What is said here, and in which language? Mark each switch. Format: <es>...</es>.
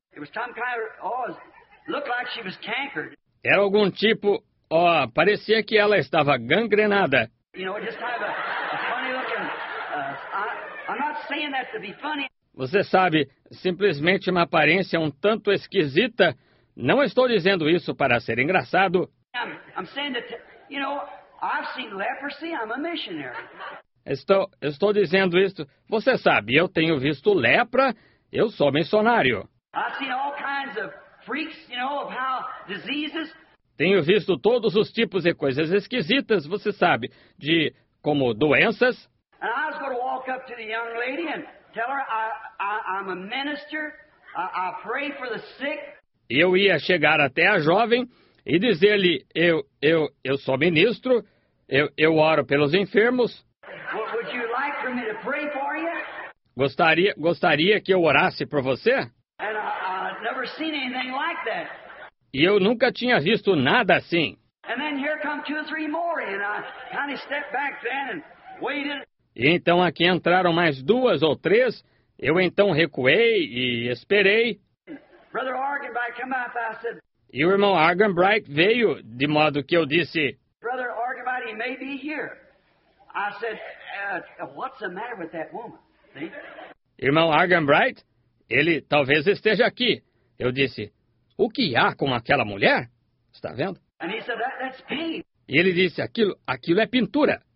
<en>It was some kind of, oh, looked like she was cankered.</en> <pt>Era algum tipo, oh, parecia que ela estava gangrenada.</pt> <en>You know, just kind of a funny looking, I'm not saying that to be funny.</en> <pt>Você sabe, simplesmente uma aparência um tanto esquisita, não estou dizendo isso para ser engraçado.</pt> <en>I'm saying that. You know, I've seen leprosy, I'm a missionary.</en> <pt>Estou dizendo isto. Você sabe, eu tenho visto lepra, eu sou missionário.</pt> <en>I've seen all kinds of freaks, you know, of how diseases.</en> <pt>Tenho visto todos os tipos de coisas esquisitas, você sabe, de como doenças.</pt> <en>And I was going to walk up to the young lady and tell her I'm a minister, I pray for the sick.</en> <pt>Eu ia chegar até a jovem e dizer-lhe, eu sou ministro, eu oro pelos enfermos.</pt> <en>Would you like for me to pray for you?</en> <pt>Gostaria que eu orasse por você?</pt> <en>And I've never seen anything like that.</en> <pt>E eu nunca tinha visto nada assim.</pt> <en>And then here come two or three more, and I kind of stepped back then and waited.</en> <pt>E então aqui entraram mais duas ou três. Eu então recuei e esperei.</pt> <en>Brother Argenbright came up, I said,</en> <pt>e o irmão Argenbright veio, de modo que eu disse,</pt> <en>Brother Argenbright, he may be here. I said, what's the matter with that woman? See?</en> <pt>Irmão Argenbright, ele talvez esteja aqui. Eu disse, o que há com aquela mulher? Está vendo?</pt> <en>And he said, that's paint.</en> <pt>E ele disse, aquilo é pintura.</pt>